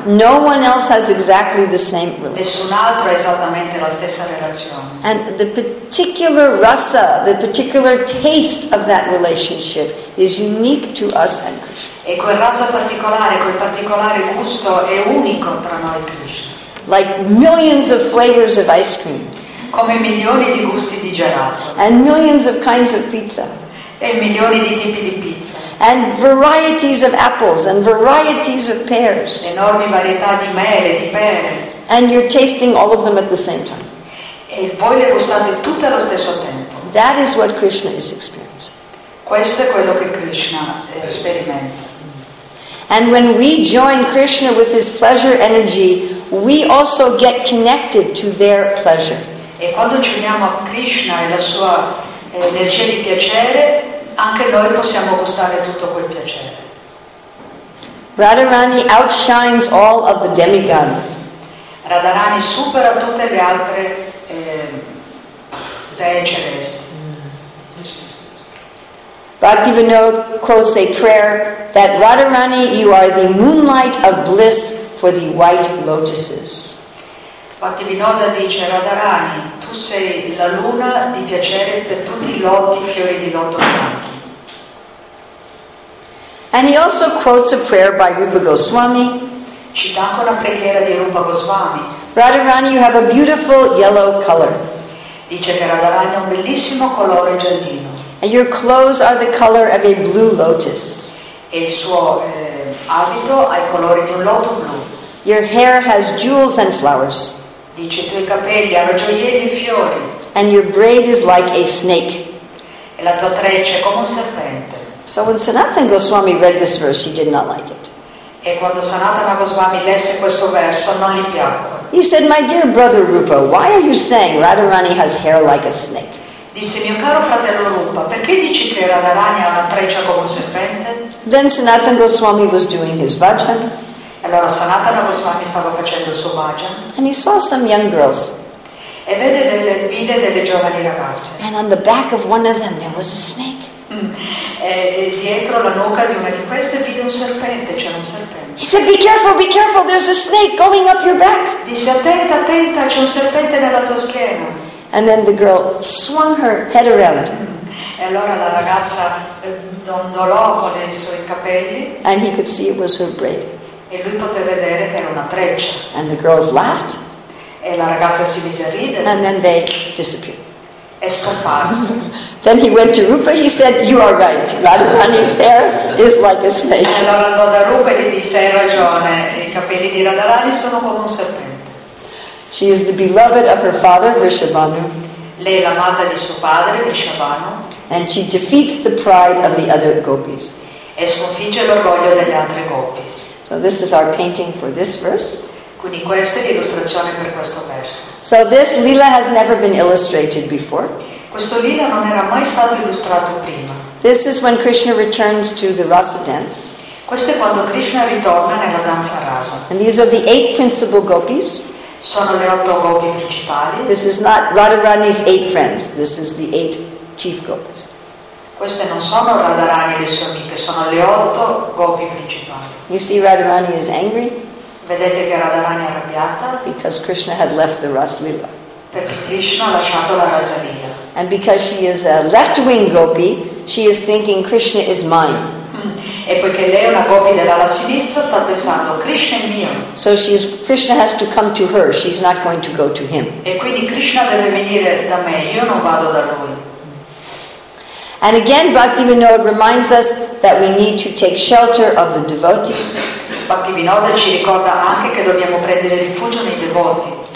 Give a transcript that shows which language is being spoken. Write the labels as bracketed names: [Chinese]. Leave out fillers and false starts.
[English] No one else has exactly the same relationship. [Italian] Nessun altro ha esattamente la stessa relazione. [English] And the particular rasa, the particular taste of that relationship is unique to us and Krishna. [Italian] E quel rasa particolare, quel particolare gusto è unico tra noi e Krishna. [English] Like millions of flavors of ice cream. [Italian] Come milioni di gusti di gelato. [English] And millions of kinds of pizza. [Italian] E milioni di tipi di pizza. [English] And varieties of apples and varieties of pears. [Italian] Enormi varietà di mele, di pere. [English] And you're tasting all of them at the same time. [Italian] E voi le gustate tutte allo stesso tempo. [English] That is what Krishna is experiencing. [Italian] Questo è quello che Krishna sperimenta. [English] And when we join Krishna with his pleasure energy, we also get connected to their pleasure. [Italian] E quando ci uniamo a Krishna e la sua energia di piacere, anche noi possiamo gustare tutto quel piacere. [English] Radharani outshines all of the demigods. [Italian] Radharani supera tutte le altre dee celesti. [English] Bhaktivinoda quotes a prayer that Radharani, you are the moonlight of bliss for the white lotuses. [Italian] Bhaktivinoda dice, Radharani, tu sei la luna di piacere per tutti i loti, fiori di loto bianchi. [English] And he also quotes a prayer by Rupa Goswami. [Italian] Cita anche una preghiera di Rupa Goswami. [English] Radharani, you have a beautiful yellow color. [Italian] Dice che Radharani ha un bellissimo colore giallino. [English] And your clothes are the color of a blue lotus. [Italian] E il suo abito ha i colori di un loto blu. [English] Your hair has jewels and flowers. [Italian] Dice, tuoi capelli hanno gioielli e fiori. [English] And your braid is like a snake. [Italian] E la tua treccia è come un serpente. [English] So when Sanatana Goswami read this verse, he did not like it. [Italian] E quando Sanatana Goswami lesse questo verso, non gli piacque. [English] He said, my dear brother Rupa, why are you saying Radharani has hair like a snake? [Italian] Disse, mio caro fratello Rupa, perché dici che Radharani ha una treccia come un serpente? [English] Then Sanatana Goswami was doing his bhajan. [Italian] Allora Sanatana Goswami stava facendo il suo bhajan. [English] And he saw some young girls. [Italian] E vide delle giovani ragazze. [English] And on the back of one of them there was a snake. [Italian] E dietro la nuca di una di queste vide un serpente, c'era un serpente. [English] He said, be careful, there's a snake going up your back. [Italian] Disse, attenta, attenta, c'è un serpente nella tua schiena. [English] And then the girl swung her head around. [Italian] E allora la ragazza dondolò con i suoi capelli. [English] And he could see it was her braid. [Italian] E lui poté vedere che era una treccia. [English] And the girls laughed. [Italian] E la ragazza si mise a ridere. [English] And then they disappeared. [Italian] È scomparso. [English] Then he went to Rupa. He said, "You are right. Radharani's hair is like a snake." [Italian] E allora andò da Rupa e gli disse, "Hai ragione. I capelli di Radharani sono come un serpente." [English] She is the beloved of her father, Vrishabhanu. [Italian] Lei è l'amata di suo padre, Vrishabhanu. [English] And she defeats the pride of the other gopis. [Italian] E sconfigge l'orgoglio delle altre gopi. [English] So this is our painting for this verse. [Italian] Quindi questa è l'illustrazione per questo verso. [English] So this lila has never been illustrated before. [Italian] Questo lila non era mai stato illustrato prima. [English] This is when Krishna returns to the rasa dance. [Italian] Questo è quando Krishna ritorna nella danza rasa. [English] And these are the eight principal gopis. [Italian] Sono le otto gopi principali. [English] This is not Radharani's eight friends. This is the eight chief gopis. [Italian] Queste non sono Radharani le sue amiche, sono le otto gopi principali. [English] You see, Radharani is angry. [Italian] Vedete che Radharani è arrabbiata. [English] Because Krishna had left the Raslila. [Italian] Perché Krishna ha lasciato la Rasalila. [English] And because she is a left-wing gopi, she is thinking Krishna is mine. [Italian] E poiché lei è una gopi dell'ala sinistra, sta pensando Krishna è mio. [English] So she's, Krishna has to come to her. She's not going to go to him. [Italian] E quindi Krishna deve venire da me. Io non vado da lui. [English] And again, Bhaktivinoda reminds us that we need to take shelter of the devotees. [Italian] Bhaktivinoda ci ricorda anche che dobbiamo prendere rifugio nei devoti.